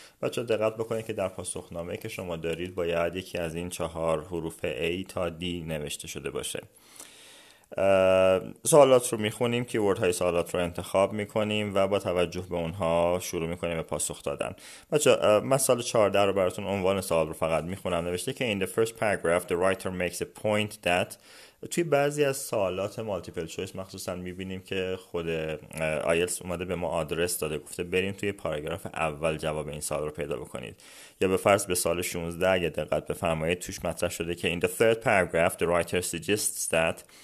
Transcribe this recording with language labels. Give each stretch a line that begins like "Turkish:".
Persian: بچه‌ها دقت بکنید که در پاسخنامه که شما دارید باید یکی از این چهار حروف A تا D نوشته شده باشه. سوالات رو میخونیم، کیورد های سوالات رو انتخاب میکنیم و با توجه به اونها شروع میکنیم به پاسخ دادن. بچه مثال 14 رو براتون عنوان سوال رو فقط میخونم.
English: نوشته که In the first paragraph the writer makes a point that.
Persian: توی بعضی از سوالات مالتیپل چویس مخصوصا میبینیم که خود آیلتس اومده به ما آدرس داده، گفته بریم توی پاراگراف اول جواب این سوال رو پیدا بکنید. یا به فرض به سوال 16 اگه دقت بفرمایید توش مطرح شده که In the third paragraph the writer suggests that.